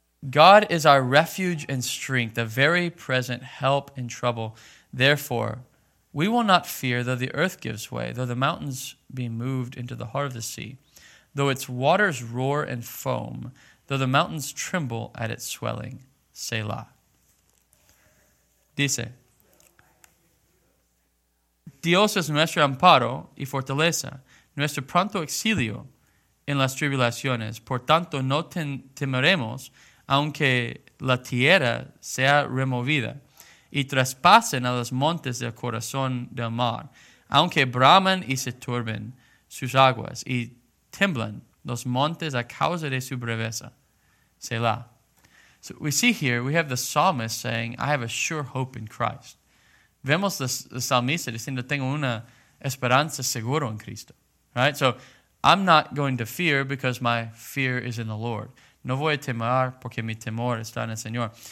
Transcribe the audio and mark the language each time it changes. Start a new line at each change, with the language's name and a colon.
English: God is our refuge and strength, a very present help in trouble. Therefore, we will not fear though the earth gives way, though the mountains be moved into the heart of the sea, though its waters roar and foam, though the mountains tremble at its swelling, Selah.
Spanish: dice, Dios es nuestro amparo y fortaleza, nuestro pronto auxilio en las tribulaciones. Por tanto, no temeremos, aunque la tierra sea removida y traspasen a los montes del corazón del mar, aunque braman y se turben sus aguas y tiemblan los montes a causa de su braveza. Selah.
English: So we see here, we have the psalmist saying, I have a sure hope in Christ.
Spanish: Vemos el salmista diciendo, tengo una esperanza segura en Cristo.
English: Right? So, I'm not going to fear because my fear is in the Lord.
Spanish: No voy a temer porque mi temor está en el Señor.